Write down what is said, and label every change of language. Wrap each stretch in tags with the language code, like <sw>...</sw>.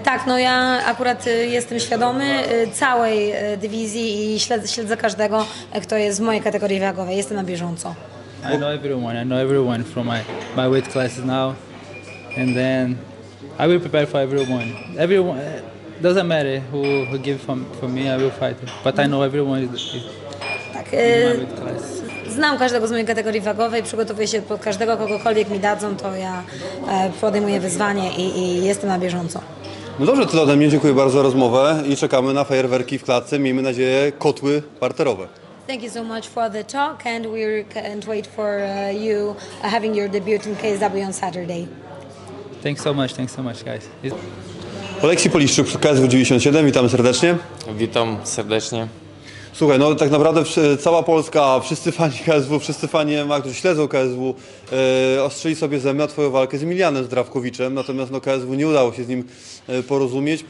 <pl>Tak, no ja akurat jestem świadomy całej dywizji i śledzę każdego, kto jest w mojej kategorii wagowej. Jestem na bieżąco.</pl> <en>I know everyone from my weight classes now. And then I will prepare for everyone. Everyone, doesn't matter who give for me, I will fight. But I know everyone is in my weight class.</en> <pl>Znam każdego z mojej kategorii wagowej, przygotowuję się pod każdego, kogokolwiek mi dadzą, to ja podejmuję wyzwanie i jestem na bieżąco. No dobrze, to ode mnie dziękuję bardzo za rozmowę i czekamy na fajerwerki w klatce, miejmy nadzieję kotły parterowe.</pl> <en>Thank you so much for the talk and we can't wait for you having your debut in KSW on Saturday. Thanks so much guys.</en> <pl>Aleksiej Poliszczuk, KSW 97, witamy serdecznie. Witam serdecznie. Słuchaj, no tak naprawdę cała Polska, wszyscy fani KSW, wszyscy fani MMA, którzy śledzą KSW, ostrzyli sobie zęby na twoją walkę z Emilianem Zdrawkowiczem, natomiast no KSW nie udało się z nim porozumieć.</pl>